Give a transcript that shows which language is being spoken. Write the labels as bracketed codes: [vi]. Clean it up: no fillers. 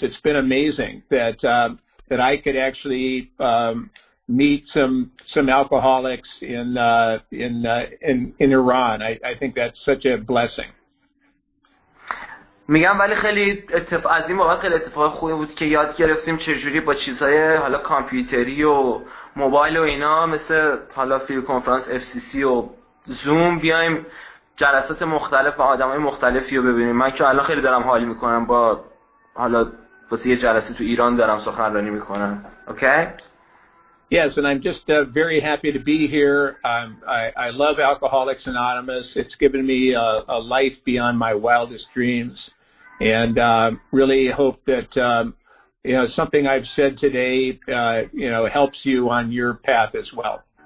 [en] It's been amazing that that I could actually meet some alcoholics in Iran. I think that's such a blessing. [fa] میگم ولی خیلی از این موقع خیلی اتفاق خوبی بود که یاد گرفتیم چجوری با چیزهای حالا کامپیوتری و موبایل و اینا مثل حالا فیلم کنفرانس FCC و زوم بیایم جلسات مختلف و آدم های مختلفی رو ببینیم. من که الان خیلی دارم حال میکنم با حالا واسه یه جلسه تو ایران دارم سخنرانی میکنم. [en] Okay? Yes, and I'm just very happy to be here. I love Alcoholics Anonymous. It's given me a life beyond my wildest dreams. And really hope that, you know, something I've said today, you know, helps you on your path as well.